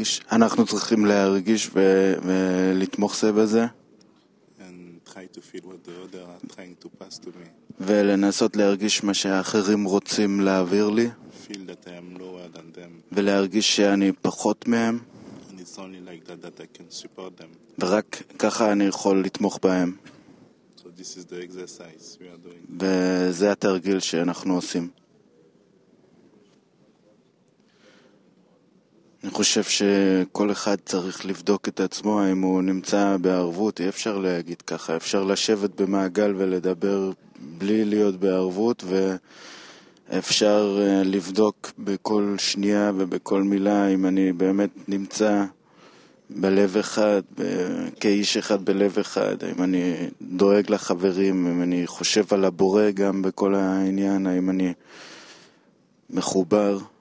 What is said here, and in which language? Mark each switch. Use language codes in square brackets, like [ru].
[he] אנחנו צריכים להרגיש ולתמוך זה בזה. [en] And try to feel what the other are trying to pass to me. [he] ולנסות להרגיש מה שאחרים רוצים להעביר לי. [en] Feel that I am lower than them. [he] ולהרגיש שאני פחות מהם. [en] And it's only like that I can support them. [he] ורק ככה אני יכול לתמוך בהם. [en] This is the exercise we are doing. [he] וזה התרגיל שאנחנו עושים. אני חושב שכל אחד צריך לבדוק את עצמו, אם הוא נמצא בערבות. אי אפשר להגיד ככה. אפשר לשבת במעגל ולדבר בלי להיות בערבות, ואפשר לבדוק בכל שנייה ובכל מילה אם אני באמת נמצא בלב אחד, כאיש אחד בלב אחד, אם אני דואג לחברים, אם אני חושב על הבורא גם בכל העניין, אם אני מחובר.